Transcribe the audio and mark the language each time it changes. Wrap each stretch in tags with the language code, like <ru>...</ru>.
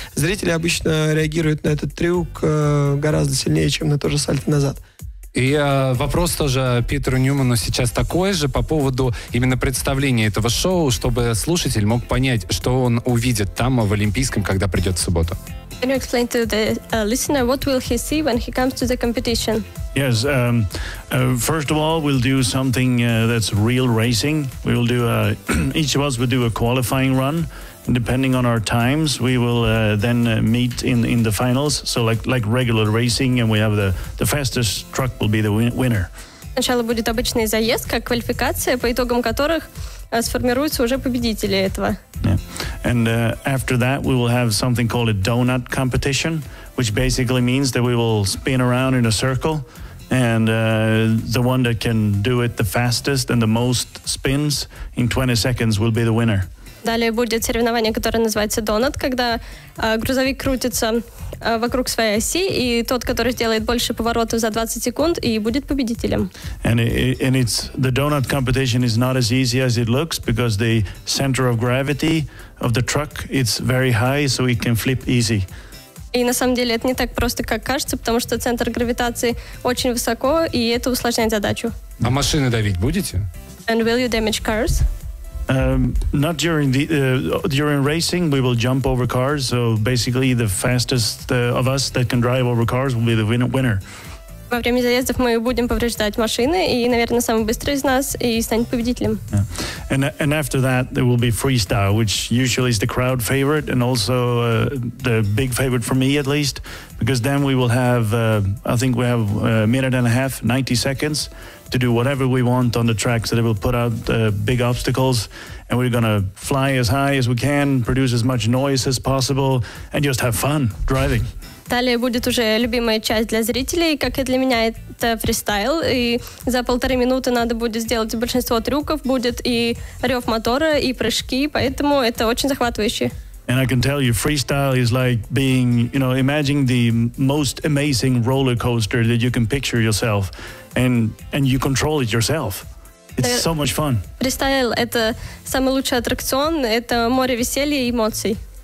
<ru>Зрители обычно реагируют на этот трюк гораздо сильнее, чем на то же сальто назад. И вопрос тоже Питеру Ньюману сейчас такой же по поводу именно представления этого шоу, чтобы слушатель мог понять, что он увидит там в Олимпийском, когда придет в субботу.</ru> <en>Can you explain to the listener what will he see when he comes to the competition? Yes, first of all, we'll do something that's real racing. We will do each of us will do a qualifying run. Depending on our times, we will then meet in the finals. So like regular racing, and we have the fastest truck will be the winner.</en> <ru>Сначала будет обычный заезд, как квалификация, по итогам которых сформируются уже победители этого.</ru> <en>Yeah. And after that, we will have something called a donut competition, which basically means that we will spin around in a circle, and the one that can do it the fastest and the most spins in 20 seconds will be the winner.</en> <ru>Далее будет соревнование, которое называется «Донат», когда грузовик крутится вокруг своей оси, и тот, который сделает больше поворотов за 20 секунд, и будет победителем.</ru> <en>And it's, the donut competition is not as easy as it looks, because the center of gravity of the truck, it's very high, so it can flip easy.</en> <ru>И на самом деле это не так просто, как кажется, потому что центр гравитации очень высоко, и это усложняет задачу. А машины давить будете?</ru> <en>And will you damage cars? Not during the during racing, we will jump over cars. So basically, the fastest of us that can drive over cars will be the winner.</en> <ru>Во время заездов мы будем повреждать машины, и, наверное, самый быстрый из нас и станет победителем.</ru> <en>And after that, there will be freestyle, which usually is the crowd favorite and also the big favorite for me, at least, because then we will have, I think we have a minute and a half, 90 seconds, to do whatever we want on the track, so they will put out big obstacles, and we're gonna fly as high as we can, produce as much noise as possible, and just have fun driving.</en> <ru>Далее будет уже любимая часть для зрителей, как и для меня, это фристайл. И за полторы минуты надо будет сделать большинство трюков. Будет и рев мотора, и прыжки, поэтому это очень захватывающе.</ru> <en>And I can tell you, freestyle is like being, you know, imagine the most amazing roller coaster that you can picture yourself, and you control it yourself. It's so much fun.</en> <ru>Фристайл — это самый лучший аттракцион, это море веселья и эмоций.</ru>